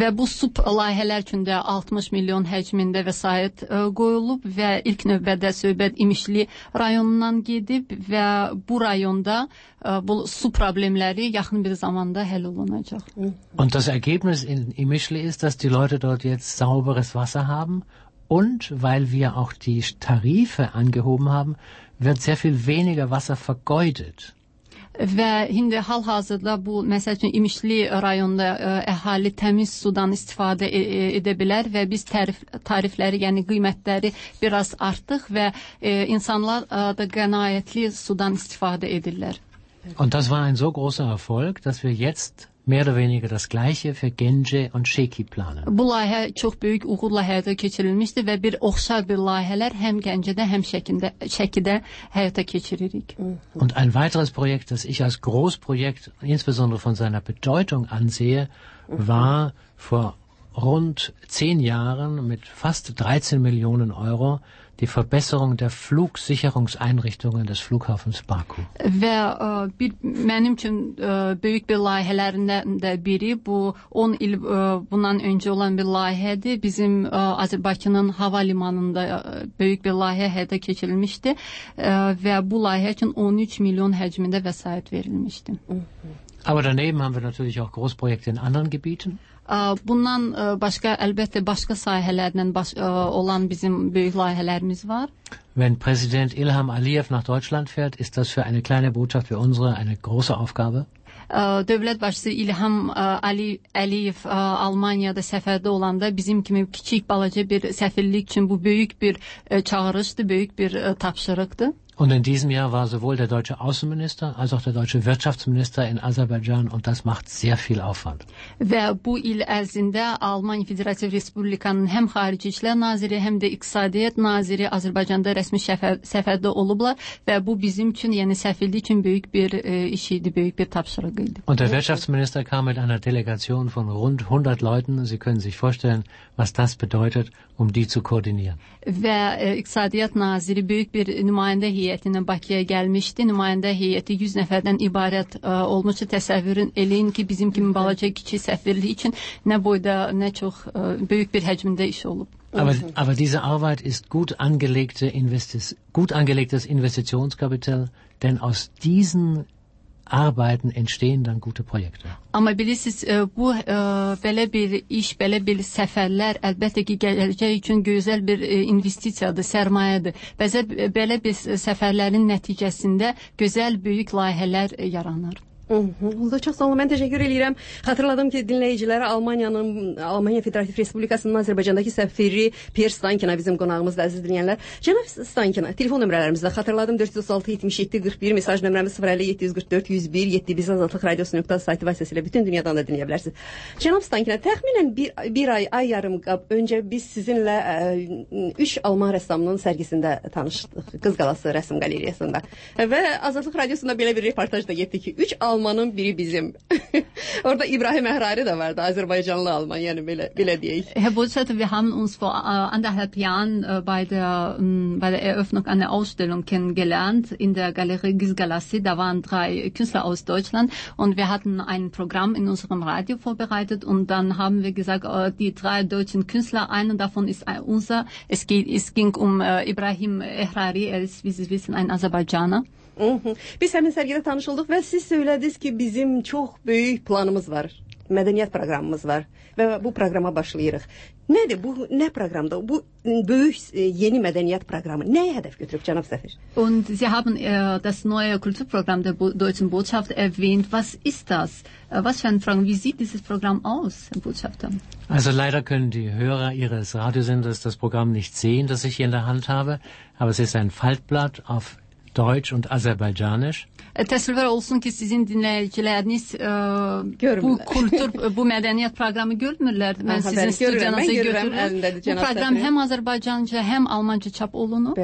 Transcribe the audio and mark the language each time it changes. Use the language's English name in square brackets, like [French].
[Azerbaijani] Və bu sub layihələr üçün də 60 milyon həcmində vəsait qoyulub və ilk növbədə söhbət İmişli rayonundan gedib və bu rayonda bu su problemləri yaxın bir zamanda həll olunacaq. [German] Und das Ergebnis in Imişli ist, dass die Leute dort jetzt sauberes Wasser haben und weil wir auch die Tarife angehoben haben, wird sehr viel weniger Wasser vergeudet. [Azerbaijani] Və indi hal-hazırda bu, məsəl üçün, İmişli rayonda əhali təmiz sudan istifadə edə bilər və biz tarifləri, yəni qiymətləri biraz artdıq və insanlar da qənaətli sudan istifadə edirlər. [German] Und das war ein so großer Erfolg, dass wir jetzt mehr oder weniger das gleiche für Gence und Şeki planen. [Azerbaijani] Bu layihə çox böyük uğurla həyata keçirilmişdi və bir oxşar bir layihələr həm Gencədə, həm Şəkidə həyata keçiririk. [German] Und ein weiteres Projekt, das ich als Großprojekt, insbesondere von seiner Bedeutung ansehe, war vor rund 10 Jahren mit fast 13 Millionen Euro die Verbesserung der Flugsicherungseinrichtungen des Flughafens Baku. [Azerbaijani] Ve bir mənim üçün böyük bir layihələrindən də biri bu 10 il bundan öncə olan bir layihədir. Bizim Azərbaycanın hava limanında böyük bir layihə həyata keçirilmişdi və bu layihə üçün 13 milyon həcmində vəsait verilmişdi. [German] Aber daneben haben wir natürlich auch Großprojekte in anderen Gebieten. [Azerbaijani] Bundan başqa əlbəttə başqa sahələrlə olan bizim böyük layihələrimiz var. [German] Wenn Präsident Ilham Aliyev nach Deutschland fährt, ist das für eine kleine Botschaft für unsere eine große Aufgabe. [Azerbaijani] Dövlət başçısı İlham Aliyev Almaniyada səfərdə olanda bizim kimi kiçik balaca bir səfirlik üçün bu böyük bir çağırışdır, böyük bir tapşırıqdır. [German] Und in diesem Jahr war sowohl der deutsche Außenminister als auch der deutsche Wirtschaftsminister in Aserbaidschan und das macht sehr viel Aufwand. [Azerbaijani] Ve bu il ərzində Almaniya Federativ Respublikanın həm xarici işlər naziri, həm də iqtisadiyyat naziri Azərbaycanda rəsmi səfərdə olublar və bu bizim üçün, yəni səfirlik üçün böyük bir iş idi, böyük bir tapşırıq idi. [German] Und der Wirtschaftsminister kam mit einer Delegation von rund 100 Leuten. Sie können sich vorstellen, was das bedeutet, um die zu koordinieren. [Azerbaijani] Ve iqtisadiyyat naziri böyük bir nümayəndə heyətinə Bakıya gəlmişdi. Nümayəndə heyəti 100 nəfərdən ibarət olmuşdu. Təsəvvürün eləyin ki, bizim kimi balaca kiçik səfirlik üçün nə boyda, nə çox böyük bir həcmində iş olub. [German] Aber diese Arbeit ist gut angelegtes Investitionskapital, denn aus diesen Arbeiten entstehen dann gute Projekte. [Azerbaijani] Amma bilirsiniz, bu belə bir iş, belə bir səfərlər əlbəttə ki, gələcək üçün gözəl bir investisiyadır, sərmayədir. Belə bir səfərlərin nəticəsində gözəl böyük layihələr yaranır. Çox sağ olun, mən təşəkkür edirəm. Xatırladım ki, dinləyicilərə Almaniya Federativ Respublikasının Azərbaycandakı səfiri Pierre Stankina bizim qonağımızdır, əziz dinləyənlər. Cənab Stankina, telefon nömrələrimizdə xatırladım, 406-77-41, mesaj nömrəmiz 057-44-101-7, biz azadlıq radiosu.az saytı vasitəsilə bütün dünyadan da dinləyə bilərsiniz. Cənab Stankina, təxminən bir ay, ay yarım öncə biz sizinlə üç Alman rəssamının sərgisində tanışdıq, Qız Qalası rəsm qaleriyasında. Və azadlıq radiosunda belə bir reportaj da getdi ki, üç Almanın biri bizim. Orada İbrahim Əhrari də vardı, Azərbaycanlı Alman, yəni belə deyək. [German] Herr Bosat, wir haben uns vor anderthalb Jahren bei der Eröffnung einer Ausstellung kennengelernt in der Galerie Gizgalassi. Da waren drei Künstler aus Deutschland und wir hatten ein Programm in unserem Radio vorbereitet und dann haben wir gesagt, die drei deutschen Künstler, einer davon ist unser. Es ging um İbrahim Əhrari, er ist, wie Sie wissen, ein Aserbaidschaner. [Azerbaijani] Biz həmin sərgidə tanış olduq və siz söylədiniz ki, bizim çox böyük planımız var, mədəniyyət proqramımız var və bu proqrama başlayırıq. Nədir bu, nə proqramdır? Bu böyük yeni mədəniyyət proqramı nəyə hədəf götürüb, cənab Səfir? [German] Und Sie haben das neue Kulturprogramm der Deutschen Botschaft erwähnt. Was ist das? Was für ein Programm? Wie sieht dieses Programm aus, Herr Botschafter? Also leider können die Hörer Ihres Radiosenders das Programm nicht sehen, das ich hier in der Hand habe, aber es ist ein Faltblatt auf Deutsch und Aserbaidschanisch. [Azerbaijani] Təsəvvür olsun ki, sizin dinləyiciləriniz bu kultur, bu mədəniyyət proqramı görmürlər. Mən sizin studiyanızı götürürəm. Bu proqram həm Azərbaycanca, həm Almanca çap olunub.